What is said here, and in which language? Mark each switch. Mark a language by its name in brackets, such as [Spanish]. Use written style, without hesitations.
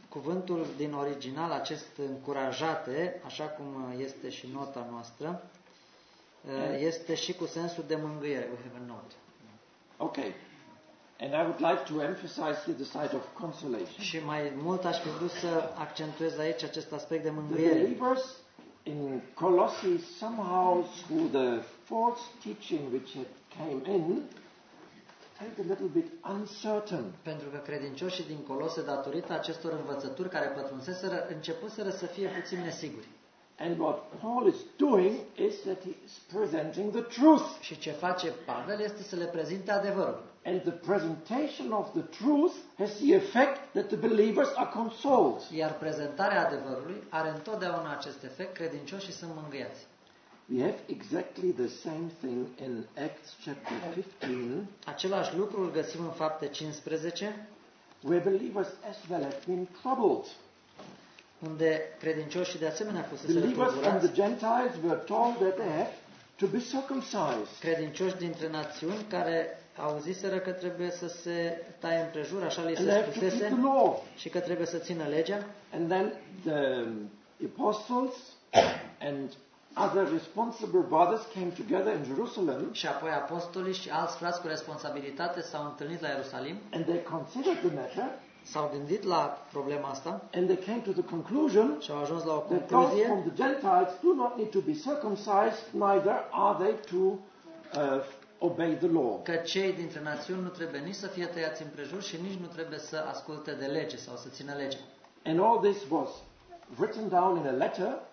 [Romanian] Cuvântul din original, acest încurajate, așa cum este și nota noastră, este și cu sensul de mângâiere. [English] We have a note. Okay. And I would like to emphasize here the side of consolation. [Romanian] Și mai mult aș fi vrut să accentuez aici acest aspect de mângâiere. [English] In Colossae, somehow through the false teaching which had came in, felt a little bit uncertain. [Romanian] Pentru că credincioșii din Colose, datorită acestor învățături care pătrunseseră, începuseră să fie puțin nesiguri. [English] And what Paul is doing is that he is presenting the truth. [Romanian] Și ce face Pavel este să le prezinte adevărul. [English] And the presentation of the truth has the effect that the believers are consoled. [Romanian] Iar prezentarea adevărului are întotdeauna acest efect, credincioșii sunt mângâiați. [English] We have exactly the same thing in Acts chapter 15. [Romanian] Același lucru îl găsim în Fapte 15. [English] Where believers as well have been troubled. [Romanian] Unde credincioșii de asemenea fuseseră tulburați. [English] Believers from the Gentiles were told that they have to be circumcised. [Romanian] Credincioși dintre națiuni care auziseră că trebuie să se taie împrejur, așa li se spusese, și că trebuie să țină legea. [English] And then the apostles and other responsible brothers came together in Jerusalem. [Romanian] Și apoi apostolii și alți frați cu responsabilitate s-au întâlnit la Ierusalim. [English] And they considered the matter. [Romanian] S-au gândit la problema asta. [English] And they came to the conclusion. [Romanian] Și au ajuns la o concluzie. [English] That those from the Gentiles do not need to be circumcised, neither are they to obey the law. [Romanian] Că cei dintre națiuni nu trebuie nici să fie tăiați în prejur și nici nu trebuie să asculte de lege sau să țină legea. [English] And all this was written down in a letter.